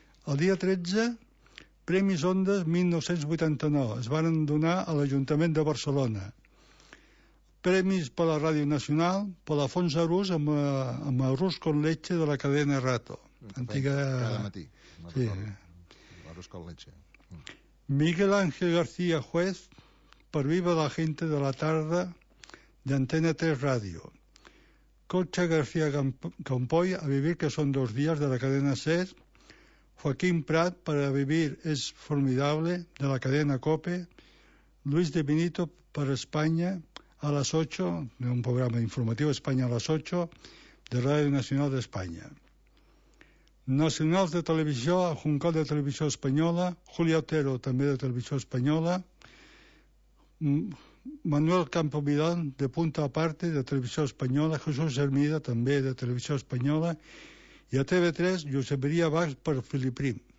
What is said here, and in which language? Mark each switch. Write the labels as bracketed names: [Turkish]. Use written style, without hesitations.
[Catalan] El dia 13, Premis Ondas 1989, es van donar a l'Ajuntament de Barcelona. Premis per la Ràdio Nacional, per l'Afons Arús, amb Arús con Leche de la cadena Rato. Antiga... Cada matí. Sí. Arús con Leche. [Spanish] Miguel Ángel García Juez, por Viva la Gente de la Tarde, de Antena 3 Radio. Concha García Campoy, A Vivir, que son dos días, de la cadena SER. Joaquín Prat, para Vivir es Formidable, de la cadena COPE. Luis de Benito, para España, a las 8, de un programa informativo, España a las 8, de Radio Nacional de España. [Catalan] Nacionals de Televisió, Juncal de Televisió Espanyola, Julio Otero, també de Televisió Espanyola, Manuel Campo Vidal, de Punta Aparte, de Televisió Espanyola, Jesús Hermida, també de Televisió Espanyola, i a TV3, Josep Maria Bach, per Filiprim.